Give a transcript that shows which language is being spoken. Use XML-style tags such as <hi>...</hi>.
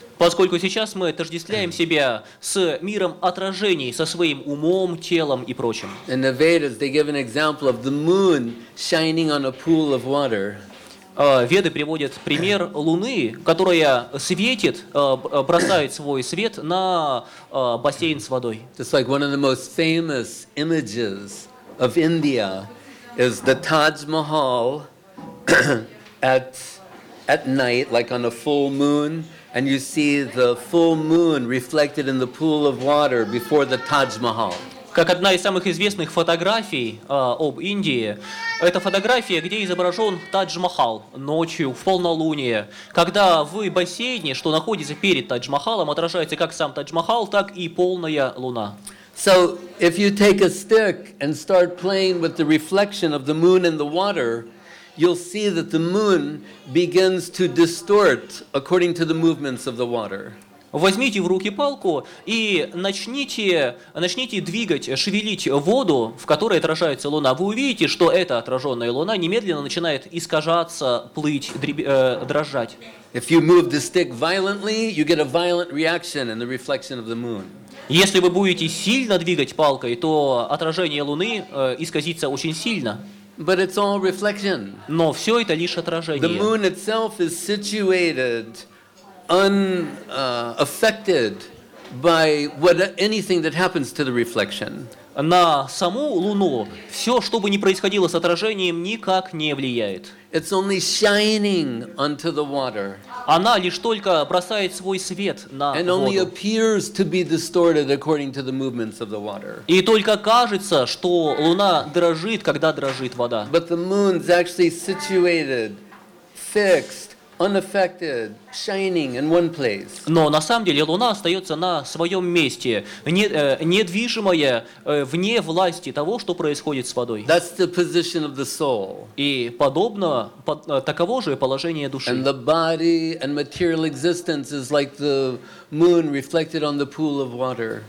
<ru>Поскольку сейчас мы отождествляем себя с миром отражений, со своим умом, телом и прочим.</ru> <en>In the Vedas, they give an example of the moon shining on a pool of water.</en> <ru>Веды приводят пример Луны, которая светит, бросает свой свет на бассейн с водой.</ru> <en>Just like one of the most famous images of India is the Taj Mahal at night, like on a full moon, and you see the full moon reflected in the pool of water before the Taj Mahal.</en> <ru>Как одна из самых известных фотографий об Индии, это фотография, где изображен Тадж-Махал ночью, в полнолуние, когда в бассейне, что находится перед Тадж-Махалом, отражается как сам Тадж-Махал, так и полная луна.</ru> <en>So, if you take a stick and start playing with the reflection of the moon in the water, you'll see that the moon begins to distort according to the movements of the water.</en> <ru>Возьмите в руки палку и начните двигать, шевелить воду, в которой отражается луна. Вы увидите, что эта отраженная луна немедленно начинает искажаться, плыть, дрожать.</ru> <en>If you move the stick violently, you get a violent reaction in the reflection of the moon.</en> <ru>Если вы будете сильно двигать палкой, то отражение луны исказится очень сильно.</ru> <en>But it's all reflection.</en> <ru>Но все это лишь отражение.</ru> <en>The moon itself is situated unaffected by anything that happens to the reflection.</en> <ru>На саму луну все, что бы ни происходило с отражением, никак не влияет.</ru> <en>It's only shining onto the water.</en> <ru>Она лишь только бросает свой свет на воду.</ru> <en>And only appears to be distorted according to the movements of the water.</en> <ru>И только кажется, что луна дрожит, когда дрожит вода.</ru> <en>But the moon's actually situated, fixed, unaffected, shining in one place.</en> <ru>Но на самом деле луна остается на своем месте, недвижимая, вне власти того, что происходит с водой.</ru> <en>That's the position of the soul.</en> <ru>И подобно таково же положение души.</ru> <en>And the body and material existence is like the moon reflected on the pool of water.</en>